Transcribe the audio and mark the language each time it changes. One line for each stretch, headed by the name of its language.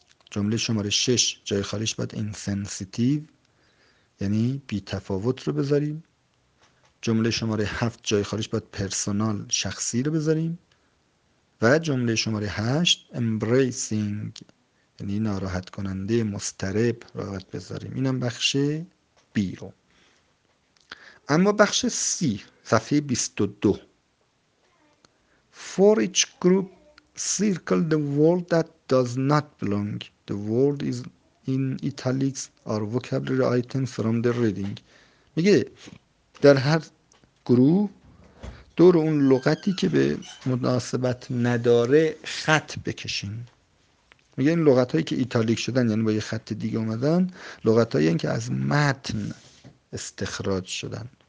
Persian: جمله شماره 6 جای خالیش باید insensitive یعنی بی تفاوت رو بذاریم. جمله شماره 7 جای خالیش باید پرسونال، شخصی رو بذاریم. و جمله شماره 8 embracing یعنی ناراحت کننده، مضطرب رو باید بذاریم. اینم بخش B رو. اما بخش C صفحه 22
English: For each group circle the word that does not belong. The word is in italics or vocabulary items from the reading.
Persian: میگه در هر گروه دور اون لغتی که به مناسبت نداره خط بکشین. میگه این لغت هایی که ایتالیک شدن یعنی با یه خط دیگه اومدن، لغت هایی که از متن استخراج شدن.